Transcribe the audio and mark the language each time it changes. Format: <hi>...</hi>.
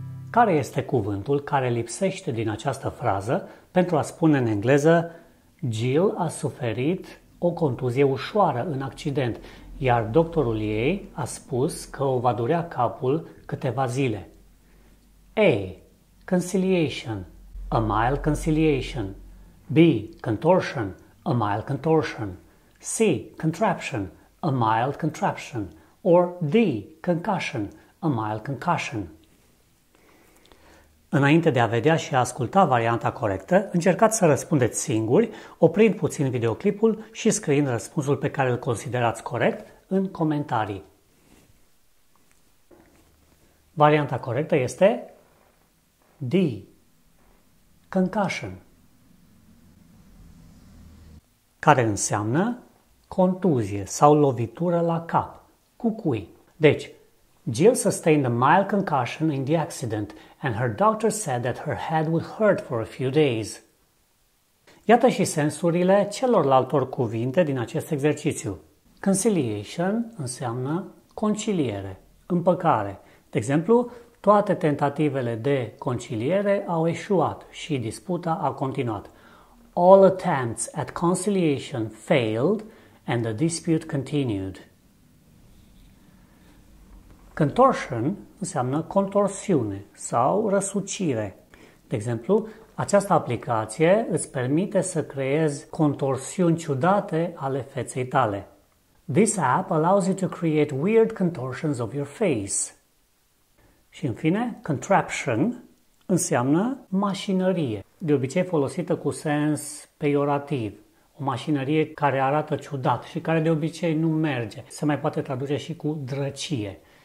<ro>Care este cuvântul care lipsește din această frază pentru a spune în engleză Jill a suferit o contuzie ușoară în accident, iar doctorul ei a spus că o va durea capul câteva zile? A.</ro> <en>Conciliation, a mild conciliation. B. Contortion, a mild contortion. C. Contraption, a mild contraption. Or D. Concussion, a mild concussion.</en> <ro>Înainte de a vedea și a asculta varianta corectă, încercați să răspundeți singuri, oprind puțin videoclipul și scriind răspunsul pe care îl considerați corect în comentarii. Varianta corectă este D. Concussion, care înseamnă contuzie sau lovitură la cap. Cu cui?</ro> <en>Deci, Jill sustained a mild concussion in the accident and her doctor said that her head would hurt for a few days.</en> <ro>Iată și sensurile celorlaltor cuvinte din acest exercițiu. Conciliation înseamnă conciliere, împăcare. De exemplu, toate tentativele de conciliere au eșuat și disputa a continuat.</ro> <en>All attempts at conciliation failed and the dispute continued.</en> <ro>Contortion înseamnă contorsiune sau răsucire. De exemplu, această aplicație îți permite să creezi contorsiuni ciudate ale feței tale.</ro> <en>This app allows you to create weird contortions of your face.</en> <ro>Și în fine, contraption înseamnă mașinărie, de obicei folosită cu sens peiorativ. O mașinărie care arată ciudat și care de obicei nu merge. Se mai poate traduce și cu drăcie.</ro>